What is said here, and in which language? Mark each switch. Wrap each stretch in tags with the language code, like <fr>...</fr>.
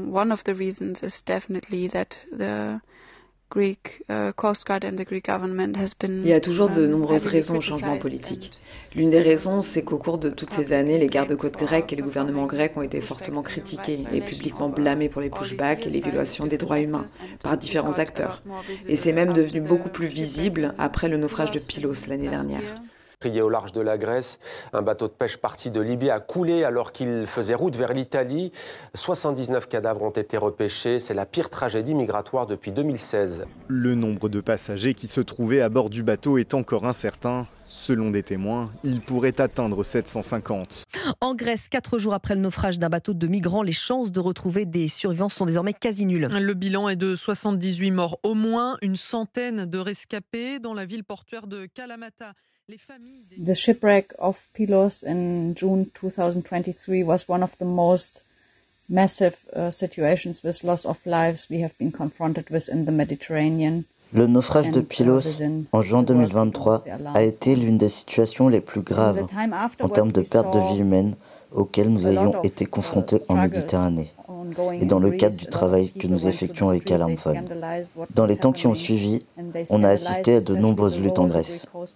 <en>One of the reasons is definitely that the Greek Coast Guard and the Greek government has been.</en> <fr>Il y a toujours de nombreuses raisons au changement politique. L'une des raisons, c'est qu'au cours de toutes ces années, les gardes-côtes grecs et le gouvernement grec ont été fortement critiqués et publiquement blâmés pour les pushbacks et les violations des droits humains par différents acteurs. Et c'est même devenu beaucoup plus visible après le naufrage de Pylos l'année dernière. Au large de la Grèce, un bateau de pêche parti de Libye a coulé alors qu'il faisait route vers l'Italie. 79 cadavres ont été repêchés. C'est la pire tragédie migratoire depuis 2016. Le nombre de passagers qui se trouvaient à bord du bateau est encore incertain. Selon des témoins, il pourrait atteindre 750. En Grèce, 4 jours après le naufrage d'un bateau de migrants, les chances de retrouver des survivants sont désormais quasi nulles. Le bilan est de 78 morts, au moins une centaine de rescapés dans la ville portuaire de Kalamata.</fr> <en>The shipwreck of Pylos in June 2023 was one of the most massive situations with loss of lives we have been confronted with in the Mediterranean.</en> <fr>Le naufrage de Pylos en juin 2023 a été l'une des situations les plus graves en termes de perte de vie humaine auxquelles nous ayons été confrontés en Méditerranée et dans le cadre du travail que nous effectuons avec Alarm Fund. Dans les temps qui ont suivi, on a assisté à de nombreuses luttes en Grèce.</fr>